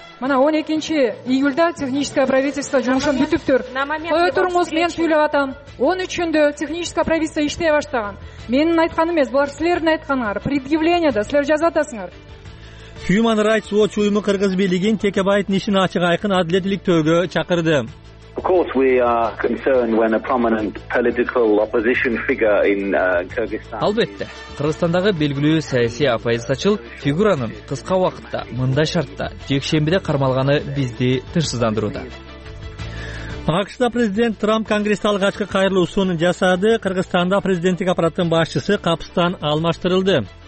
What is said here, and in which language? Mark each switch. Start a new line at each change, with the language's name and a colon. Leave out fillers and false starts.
Kyrgyz: Мына 12 июлда
Russian: техническое правительство
Kyrgyz: жумушун бүтүптүр. Кое туруңуз, мен сүйлөп атам. 13-дө
Russian: техническое правительство
Kyrgyz: иштей баштаган. Менин айтканым эмес, булар силердин айтканыңар. Предъявление да силер жазып атасыңар. Human Rights Watch уюму кыргыз бийлигин Текебаевдин ишин ачык айкын адилеттик төгө чакырды.
English: Of course we are concerned when a prominent political opposition figure in Kyrgyzstan.
Kyrgyz: Албетте, Кыргызстандагы белгилүү саясий оппозициячыл фигуранын кыска убакытта мындай шартта жекшембиде кармалганы бизди тынчсыздандырууда. АКШ-та президент Трамп Конгресске алгачкы кайрылуусун жасады. Кыргызстанда президенттик аппараттын башчысы капыстан алмаштырылды.